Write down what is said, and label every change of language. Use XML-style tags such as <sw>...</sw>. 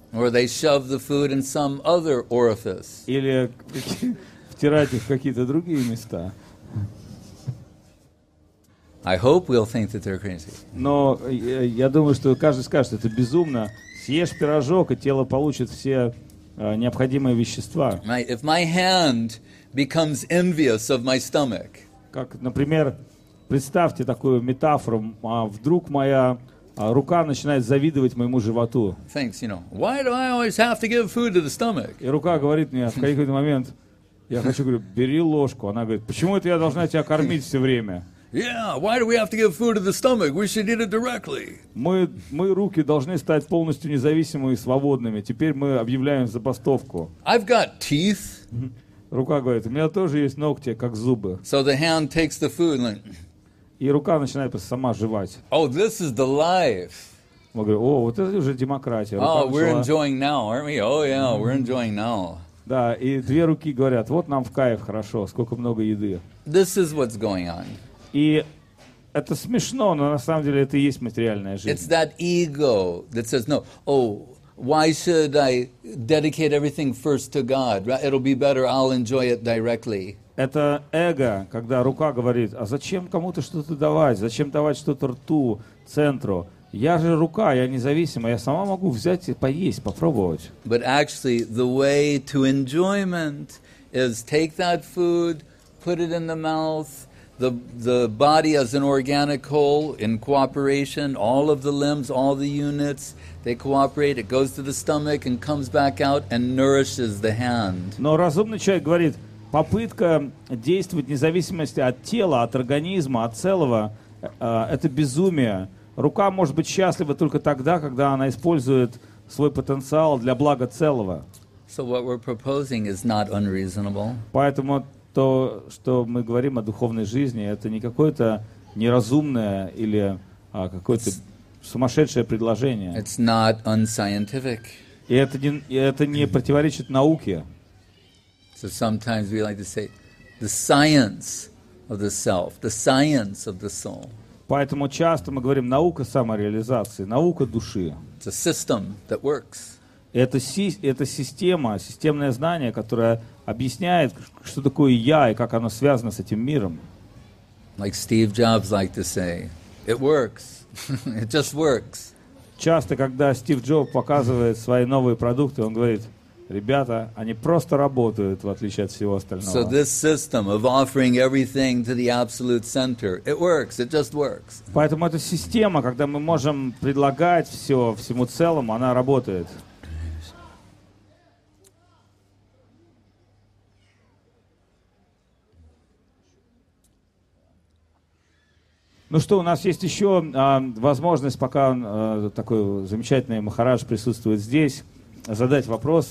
<en>Or they shove the food in some other orifice.</en> <ru>Или втирать их в какие-то другие места.</ru> <en>I hope we'll think that they're crazy.</en> <ru>Но я думаю, что каждый скажет, это безумно. Съешь пирожок, и тело получит все необходимые вещества.</ru> <en>If my hand becomes envious of my stomach,</en> <ru>как, например, представьте такую метафору, вдруг моя рука начинает завидовать моему животу.</ru> <en>Thanks, you know. Why do I always have to give food to the stomach?</en> <ru>И рука говорит мне в какой-то момент, я хочу, говорю, бери ложку. Она говорит, почему это я должна тебя кормить все время?</ru> <en>Yeah, why do we have to give food to the stomach? We should eat it directly.</en> <ru>Мы руки должны стать полностью независимыми и свободными. Теперь мы объявляем забастовку.</ru> <en>I've got teeth.</en> <ru>Рука говорит, у меня тоже есть ногти, как зубы.</ru> <en>So the hand takes the food and like,</en> <ru>и рука начинает сама жевать.</ru> <en>Oh, this is the life.</en> <ru>Мы говорим, о, вот это уже демократия. Рука</ru> <en>oh, we're enjoying now, aren't we? Oh, yeah, mm-hmm. we're enjoying now.</en> <ru>Да, и две руки говорят, вот нам в кайф, хорошо, сколько много еды.</ru> <en>This is what's going on.</en> <ru>И это смешно, но на самом деле это и есть материальная жизнь.</ru> <en>It's that ego that says, no, oh, why should I dedicate everything first to God? It'll be better, I'll enjoy it directly.</en> <ru>Это эго, когда рука говорит, а зачем кому-то что-то давать? Зачем давать что-то рту, центру? Я же рука, я независима, я сама могу взять и поесть, попробовать.</ru> <en>But actually, the way to enjoyment is take that food, put it in the mouth, the body as an organic whole in cooperation, all of the limbs, all the units, they cooperate, it goes to the stomach and comes back out and nourishes the hand.</en> <ru>Но разумный человек говорит, попытка действовать вне зависимости от тела, от организма, от целого, это безумие. Рука может быть счастлива только тогда, когда она использует свой потенциал для блага целого.</ru> <en>So what we're proposing is not unreasonable.</en> <ru>Поэтому то, что мы говорим о духовной жизни, это не какое-то неразумное или какое-то сумасшедшее предложение.</ru> <en>It's not unscientific.</en> <ru>И это не противоречит науке.</ru> <en>So sometimes we like to say the science of the self, the science of the soul.</en> <ru>Поэтому часто мы говорим наука самореализации, наука души.</ru> <en>It's a system that works.</en> <ru>Это система, системное знание, которое объясняет, что такое я и как оно связано с этим миром.</ru> <en>Like Steve Jobs liked to say, it works. It just works.</en> <ru>Часто, когда Стив Джоб показывает свои новые продукты, он говорит, ребята, они просто работают, в отличие от всего остального.</ru> <en>So this system of offering everything to the absolute center, it works, it just works.</en> <ru>Поэтому эта система, когда мы можем предлагать все всему целому, она работает. Ну что, у нас есть еще возможность, пока такой замечательный Махарадж присутствует здесь. задать вопрос.</ru>